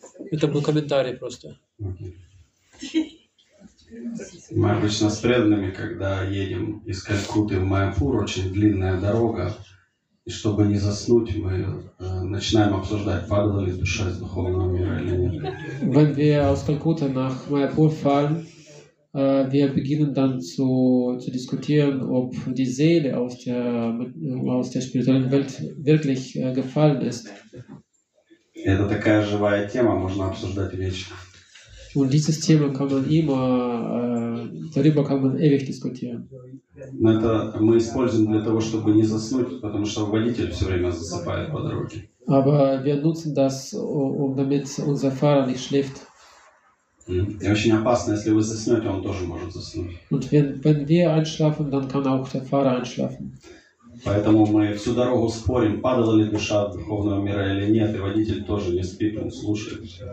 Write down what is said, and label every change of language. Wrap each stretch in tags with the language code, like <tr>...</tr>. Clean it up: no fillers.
<ru>Это был комментарий просто. Мы обычно с преданными, когда едем из Калькутты в Майяпур, очень длинная дорога, и чтобы не заснуть, мы начинаем обсуждать, падала ли душа из духовного мира или нет.</ru> <de>Wenn wir aus Kalkutta nach Mayapur fahren, wir beginnen dann zu diskutieren, ob die Seele aus der spirituellen Welt wirklich gefallen ist.</de> <ru>Это такая живая тема, можно обсуждать вечно.</ru> <de>Und dieses Thema kann man immer, darüber kann man ewig diskutieren.</de> <ru>Но это мы используем для того, чтобы не заснуть, потому что водитель все время засыпает по дороге.</ru> <de>Aber wir nutzen das, damit unser Fahrer nicht schläft.</de> <ru>И очень опасно, если вы заснете, он тоже может заснуть.</ru> <de>Und wenn wir einschlafen, dann kann auch der Fahrer einschlafen.</de> <ru>Поэтому мы всю дорогу спорим, падала ли душа от духовного мира или нет, и водитель тоже не спит, он слушает.</ru>